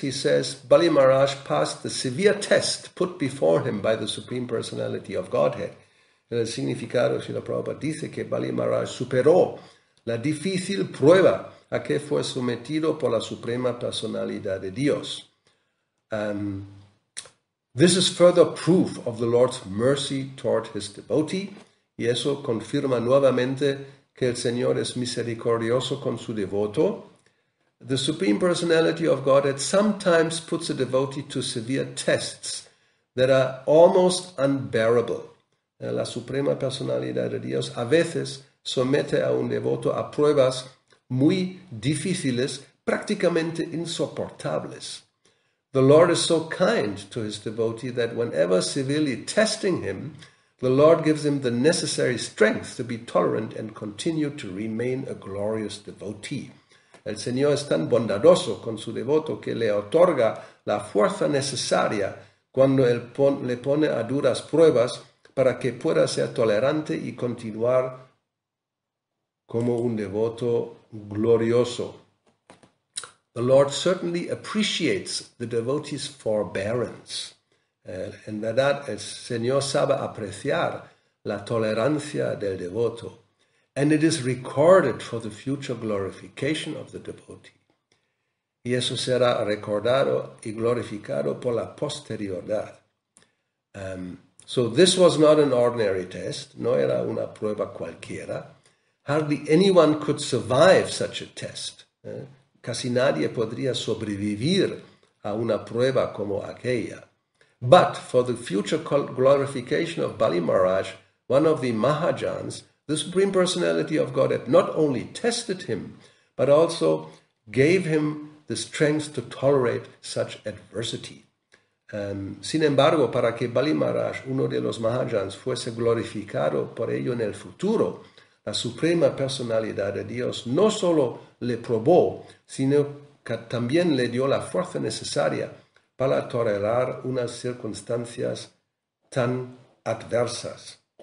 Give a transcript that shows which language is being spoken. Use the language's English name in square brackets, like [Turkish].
[English] He says, Bali Maharaj passed the severe test put before him by the Supreme Personality of Godhead. [Spanish] El significado, Srila Prabhupada dice que Bali Maharaj superó la difícil prueba a que fue sometido por la Suprema Personalidad de Dios. [English] This is further proof of the Lord's mercy toward his devotee. [Spanish] Y eso confirma nuevamente que el Señor es misericordioso con su devoto. [English] The Supreme Personality of Godhead sometimes puts a devotee to severe tests that are almost unbearable. [Spanish] La Suprema Personalidad de Dios a veces somete a un devoto a pruebas muy difíciles, prácticamente insoportables. [English] The Lord is so kind to his devotee that whenever severely testing him, the Lord gives him the necessary strength to be tolerant and continue to remain a glorious devotee. [Spanish] El Señor es tan bondadoso con su devoto que le otorga la fuerza necesaria cuando él le pone a duras pruebas para que pueda ser tolerante y continuar como un devoto glorioso. [English] The Lord certainly appreciates the devotee's forbearance. [Spanish] En verdad, el Señor sabe apreciar la tolerancia del devoto. [English] And it is recorded for the future glorification of the devotee. [Spanish] Y eso será recordado y glorificado por la posterioridad. [English] So this was not an ordinary test. [Spanish] No era una prueba cualquiera. [English] Hardly anyone could survive such a test. [Spanish] Casi nadie podría sobrevivir a una prueba como aquella. [English] But for the future glorification of Bali Maharaj, one of the Mahajans, the Supreme Personality of Godhead, not only tested him, but also gave him the strength to tolerate such adversity. [Spanish] Sin embargo, para que Bali Maharaj, uno de los Mahajans, fuese glorificado por ello en el futuro, la Suprema Personalidad de Dios no solo le probó, sino que también le dio la fuerza necesaria para tolerar unas circunstancias tan adversas.